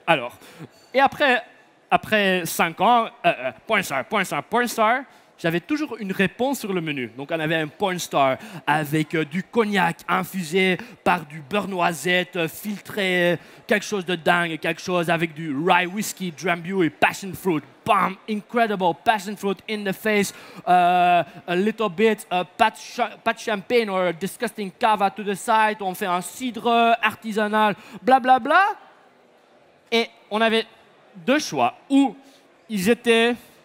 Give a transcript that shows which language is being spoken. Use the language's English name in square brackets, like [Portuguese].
[French] Alors, et après 5 ans, point star, j'avais toujours une réponse sur le menu. Donc on avait un point star avec du cognac infusé par du beurre noisette filtré, quelque chose de dingue, quelque chose avec du rye whiskey, drambuie, passion fruit. [English] Bam, incredible, passion fruit in the face, a little bit patch champagne or a disgusting cava to the side. [French] On fait un cidre artisanal, bla bla bla. Et on avait 2 choix où ils étaient.